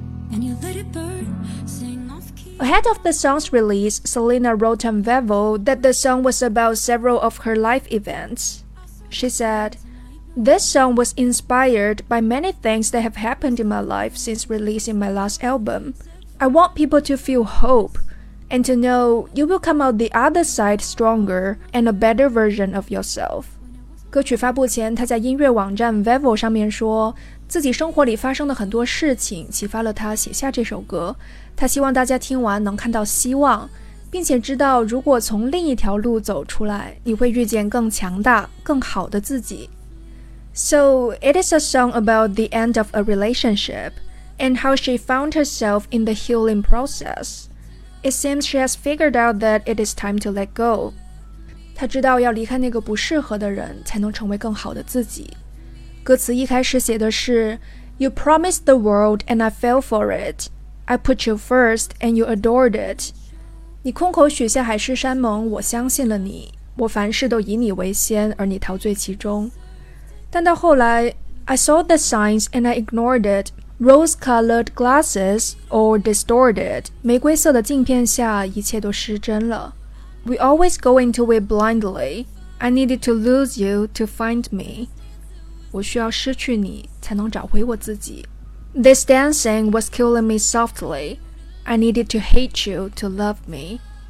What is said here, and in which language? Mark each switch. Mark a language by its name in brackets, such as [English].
[English] Ahead of the song's release, Selena wrote on Vevo that the song was about several of her life events. She said, "This song was inspired by many things that have happened in my life since releasing my last album. I want people to feel hope and to know you will come out the other side stronger and a better version of yourself." [Chinese] 歌曲发布前，她在音乐网站 Vevo 上面说，自己生活里发生的很多事情启发了她写下这首歌。她希望大家听完能看到希望，并且知道如果从另一条路走出来，你会遇见更强大、更好的自己。 [English] So, it is a song about the end of a relationship and how she found herself in the healing process. It seems she has figured out that it is time to let go. [Chinese] 她知道要离开那个不适合的人才能成为更好的自己。歌词一开始写的是 [English] You promised the world and I fell for it. I put you first and you adored it. [Chinese] 你空口许下海誓山盟，我相信了你。我凡事都以你为先，而你陶醉其中。但到后来 [English] I saw the signs and I ignored it. Rose-colored glasses or distorted. [Chinese] 玫瑰色的镜片下一切都失真了。 [English] We always go into it blindly. I needed to lose you to find me. [Chinese] 我需要失去你才能找回我自己。 [English] This dancing was killing me softly. I needed to hate you to love me.